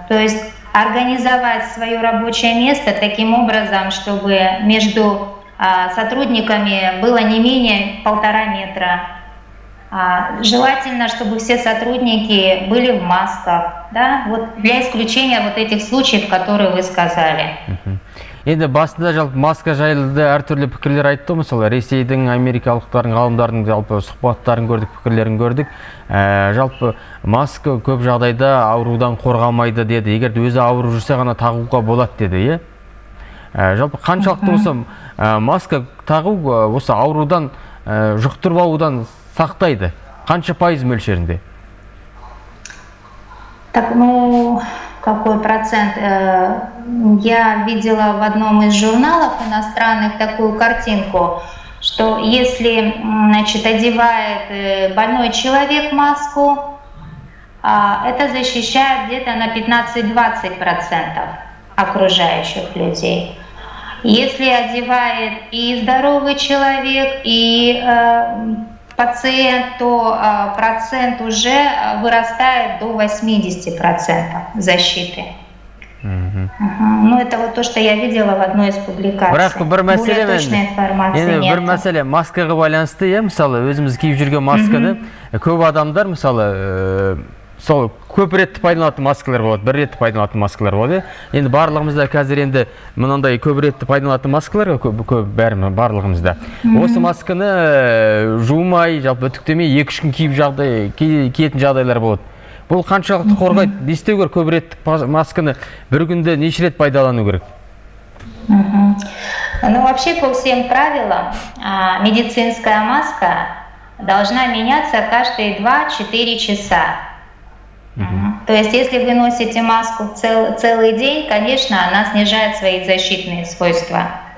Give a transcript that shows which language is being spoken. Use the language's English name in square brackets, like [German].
[Russian] То есть организовать свое рабочее место таким образом, чтобы между сотрудниками было не менее 1.5 метра. Желательно, чтобы все сотрудники были в масках, да, вот для исключения вот этих случаев, которые вы сказали. [Kazakh] Енді басында жалпы маска жайлы әртүрлі пікірлер айтты, мысалы, Ресейдің, Америкалықтарын, ғалымдарының жалпы сұхбаттарын көрдік, пікірлерін көрдік. Жалпы маска көп жағдайда аурудан қорғалмайды деді, егер де өзі ауру жүрсе ғана тағуға болады деді, е? Жалпы қаншалықты осы маска тағу осы аурудан жұқтырып алудан сақтайды? Қанша пайыз мөлшерінде? [Russian] Так, ну, какой процент? Я видела в одном из журналов иностранных такую картинку, что если, значит, одевает больной человек маску, это защищает где-то на 15-20% окружающих людей. Если одевает и здоровый человек, и пациент, то процент уже вырастает до 80% защиты. Mm-hmm. Ну, это вот то, что я видела в одной из публикаций. [Kazakh] Бірақ бір мәселе, [Russian] более точной информации нет. [Kazakh] Бір мәселе, маскаға байланысты, е, мысалы, өзіміз киіп жүрген масканы, көп адамдар, мысалы, сол көп ретті пайдаланатын маскалар болады, бір ретті пайдаланатын маскалар болады. Енді барлығымызда қазір енді мынандай көп ретті пайдаланатын маскалар көп бәрі барлығымызда. Осы масканы жумай, жалпы бүтіктемей 2-3 күн киіп жағдай кетін жағдайлар болады. Бұл қаншалықты қорғайды? Не істеу керек көп ретті масканы бір күнде неше рет пайдалану керек? [Russian] Ну, вообще по всем правилам, медицинская маска должна меняться каждые 2-4 часа. То есть, если вы носите маску целый день, конечно, она снижает свои защитные свойства.